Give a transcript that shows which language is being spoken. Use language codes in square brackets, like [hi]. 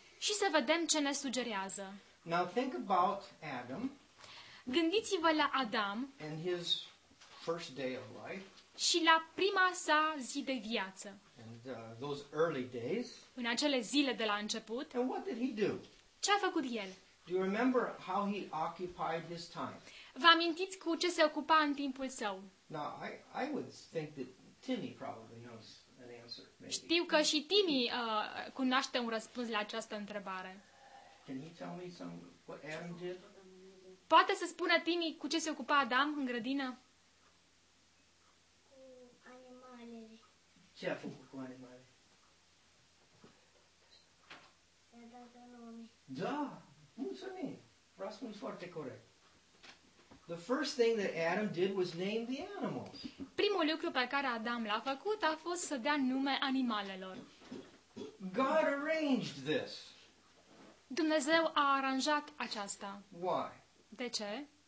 [ro] Și să vedem ce ne sugerează. [en] Now think about Adam. [ro] Gândiți-vă la Adam. [en] And his first day of life. [ro] Și la prima sa zi de viață. [en] And those early days. [ro] În acele zile de la început. [en] And what did he do? [ro] Ce a făcut el? [en] Do you remember how he occupied his time? [ro] Vă amintiți cu ce se ocupa în timpul său? [en] Now I would think that Timmy probably knows. [ro] Știu că și Timmy cunoaște un răspuns la această întrebare. [en] Can you tell me some, what Adam did? [ro] Poate să spună Timmy cu ce se ocupa Adam în grădină? Cu animalele. Ce a făcut cu animalele? I-a dat nume. Da, mulțumim. Răspuns foarte corect. [en] The first thing that Adam did was name the animals. [ro] Primul lucru pe care Adam l-a făcut a fost să dea nume animalelor. [en] God arranged this. [ro] Dumnezeu a aranjat aceasta. [en] Why? [ro] De ce?